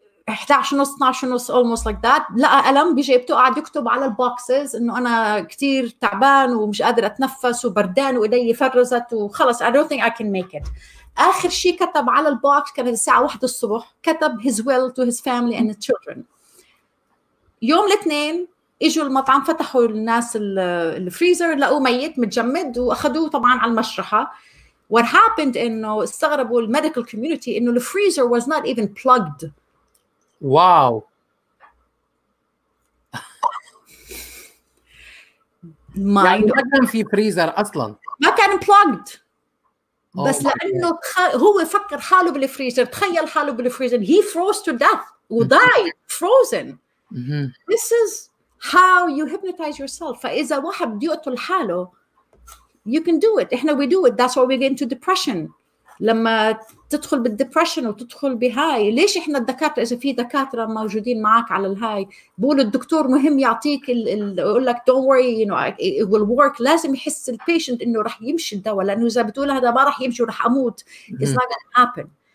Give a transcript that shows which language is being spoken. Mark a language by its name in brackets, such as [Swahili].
[Arabic] 11:30 12:30 [English] almost like that [Arabic] لقى ألم بجيبته قاعد يكتب على البوكسز انه انا كتير تعبان ومش قادر اتنفس وبردان وإيدي فرزت وخلص [English] I don't think I can make it [Arabic] آخر شيء كتب على البوكس كانت الساعة 1 الصبح كتب [English] his will to his family and his children [Arabic] يوم الاثنين إجوا المطعم فتحوا الناس الفريزر لقوا ميت متجمد وأخذوه طبعاً على المشرحة. [English] What happened [Arabic] إنه استغربوا الـ [English] medical community إنه the freezer was not even plugged. Wow. [Arabic] يعني ما كان في فريزر أصلاً. ما كان plugged. بس لأنه هو فكر حاله بالفريزر تخيل حاله بالفريزر [English] he froze to death [Arabic] و [English] died frozen. This is How you hypnotize yourself. [Arabic] فإذا واحد يقتل حاله, [English] you can do it. إحنا we do it. That's why we get into depression. [Arabic] لما تدخل بالdepression وتدخل بهاي, ليش إحنا الدكاترة, إذا في دكاترة موجودين معاك على الهاي, بقول الدكتور مهم يعطيك, يقول لك [English] don't worry, you know, it will work. [Arabic] لازم يحس الpatient إنه رح يمشي الدواء, لأنه إذا بتقول هذا ما رح يمشي ورح أموت, [English] it's not gonna happen.